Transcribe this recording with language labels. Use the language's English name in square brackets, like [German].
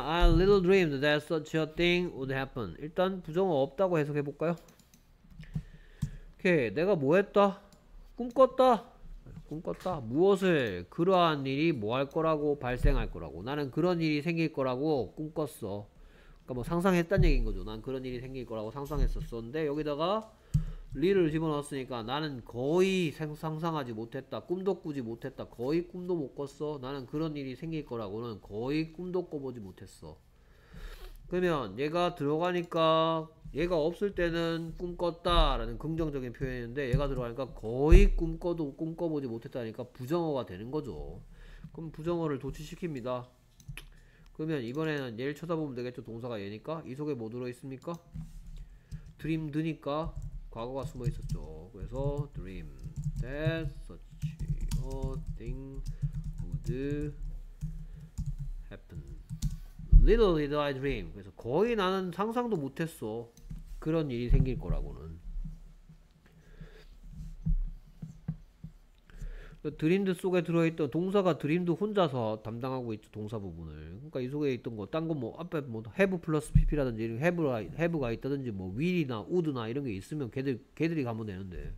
[English] I little dreamed that such a thing would happen. [Korean] 일단 부정어 없다고 해석해 볼까요? 오케이, 내가 뭐 했다? 꿈꿨다. 꿈꿨다. 무엇을 그러한 일이 뭐할 거라고 발생할 거라고 나는 그런 일이 생길 거라고 꿈꿨어. 그러니까 뭐 상상했단 얘기인 거죠. 난 그런 일이 생길 거라고 상상했었었는데 여기다가 리를 집어넣었으니까 나는 거의 상상하지 못했다. 꿈도 꾸지 못했다. 거의 꿈도 못 꿨어. 나는 그런 일이 생길 거라고는 거의 꿈도 꿔보지 못했어. 그러면 얘가 들어가니까 얘가 없을 때는 꿈꿨다라는 긍정적인 표현인데 얘가 들어가니까 거의 꿈꿔도 꿈꿔보지 못했다니까 부정어가 되는 거죠. 그럼 부정어를 도치시킵니다. 그러면 이번에는 얘를 쳐다보면 되겠죠. 동사가 얘니까 이 속에 뭐 들어있습니까? 드림드니까 과거가 숨어있었죠. 그래서 [English] dream that such a thing would happen. Little did I dream. [Korean] 그래서 거의 나는 상상도 못했어. 그런 일이 생길 거라고는. 드림드 속에 들어있던 동사가 드림드 혼자서 담당하고 있죠. 동사 부분을. 그러니까 이 속에 있던 거, 딴거 뭐, 앞에 뭐, have 플러스 pp라든지, have가 있다든지, 뭐, will이나 would나 이런 게 있으면 걔들이 가면 되는데.